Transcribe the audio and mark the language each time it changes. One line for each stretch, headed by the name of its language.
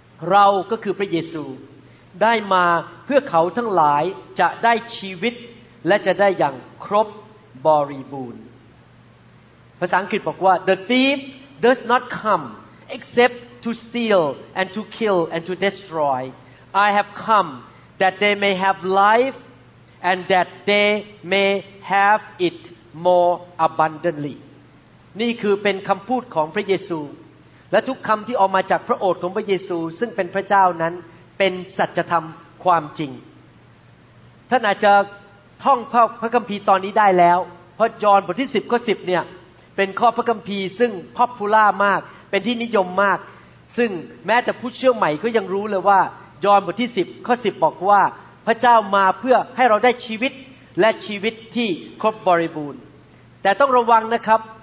Thai: เราก็คือพระเยซูได้มาเพื่อเขาทั้งหลายจะได้ชีวิตและจะได้อย่างครบบริบูรณ์ภาษาอังกฤษบอกว่า
English: The thief does not come except to steal and to kill and to destroy. I have come that they may have life and that they may have itMore abundantly.
Thai: นี่คือเป็นคำพูดของพระเยซูและทุกคำที่ออกมาจากพระโอษฐ์ของพระเยซูซึ่งเป็นพระเจ้านั้นเป็นสัจธรรมความจริงท่านอาจจะท่องพระคัมภีร์ตอนนี้ได้แล้วเพราะยอห์นบทที่10ข้อ10เนี่ยเป็นข้อพระคัมภีร์ซึ่งป๊อปปูล่ามากเป็นที่นิยมมากซึ่งแม้แต่ผู้เชื่อใหม่ก็ยังรู้เลยว่ายอห์นบทที่10ข้อ10บอกว่าพระเจ้ามาเพื่อให้เราได้ชีวิตและชีวิตที่ครบบริบูรณ์แต่ต้องระวังนะครับ